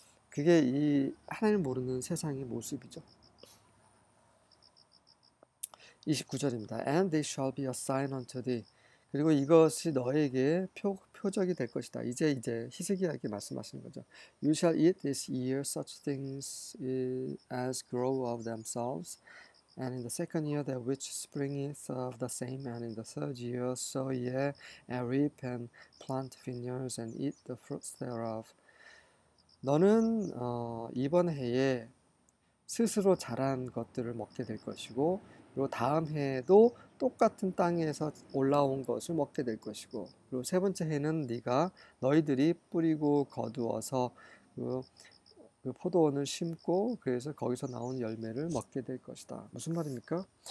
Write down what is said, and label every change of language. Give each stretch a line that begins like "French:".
Korean: 그게 이 하나님 모르는 세상의 모습이죠. 29절입니다.
English: And they shall be a sign unto thee.
Korean: 그리고 이것이 너에게 표적이 될 것이다. 이제 히스기야에게 말씀하시는 거죠.
English: You shall eat this year such things as grow of themselves, and in the second year that which springeth of the same, and in the third year sow ye, and reap, and plant vineyards, and eat the fruits thereof.
Korean: 너는 이번 해에 스스로 자란 것들을 먹게 될 것이고, 그리고 다음 해에도 똑같은 땅에서 올라온 것을 먹게 될 것이고, 그리고 세 번째 해는 네가 너희들이 뿌리고 거두어서 그 포도원을 심고, 그래서 거기서 나온 열매를 먹게 될 것이다. 무슨 말입니까?